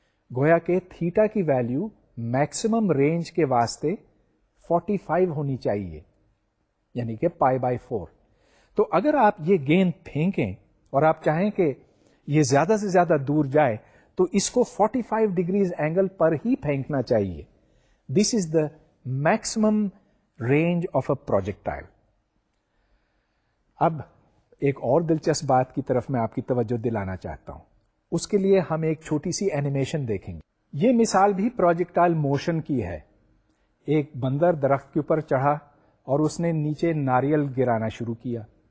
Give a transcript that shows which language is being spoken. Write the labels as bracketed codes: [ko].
[ur] گویا کہ تھیٹا کی ویلیو میکسیمم رینج کے واسطے 45 ہونی چاہیے یعنی کہ پائی بائی 4. تو اگر آپ یہ گیند پھینکیں اور آپ چاہیں کہ یہ زیادہ سے زیادہ دور جائے تو اس کو 45 ڈگریز اینگل پر ہی پھینکنا چاہیے. [en] This is the maximum range of a projectile. [ur] اب ایک اور دلچسپ بات کی طرف میں آپ کی توجہ دلانا چاہتا ہوں. اس کے لیے ہم ایک چھوٹی سی اینیمیشن دیکھیں گے. یہ مثال بھی پروجیکٹائل موشن کی ہے. ایک بندر درخت کے اوپر چڑھا اور اس نے نیچے ناریل گرانا شروع کیا.